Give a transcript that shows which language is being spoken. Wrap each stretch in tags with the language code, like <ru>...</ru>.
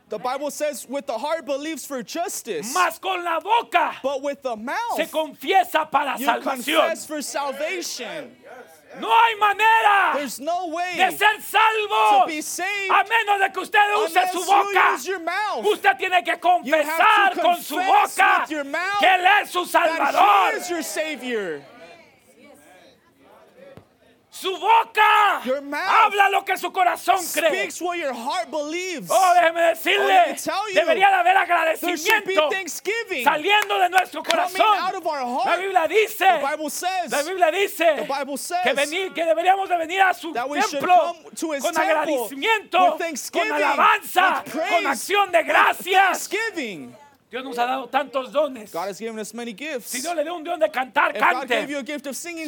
<en>The Bible says, with the heart believes for justice.</en> <es>Mas con la boca.</es> <en>But with the mouth.</en> <es>Se confiesa para</es> <en>you</en> <es>salvación.</es> <en>You confess for salvation.</en> <es>No hay manera.</es> <en>There's no way</en> <es>de ser salvo</es> <en>to be saved</en> <es>a menos de que usted use su boca. Usted tiene que confesar con su boca que él es su salvador.</es> <en>That he is your savior.</en> <es>Su boca</es> <en>your mouth</en> <es>habla lo que su corazón cree.</es> <en>Speaks what your heart believes.</en> <es>Oh, déjeme decirle,</es> <en>you,</en> <es>debería de haber agradecimiento saliendo de nuestro corazón.</es> <en>Coming out of our heart.</en> <es>La Biblia dice</es> <en>the Bible says</en> <es>que deberíamos de venir a su templo con agradecimiento, con alabanza,</es> <en>praise,</en> <es>con acción de gracias. Dios nos ha dado tantos dones.</es> <en>God has given us many gifts.</en> <es>Si Dios le dio un don de cantar, cante.</es> <en>If God gave you a gift of singing,</en>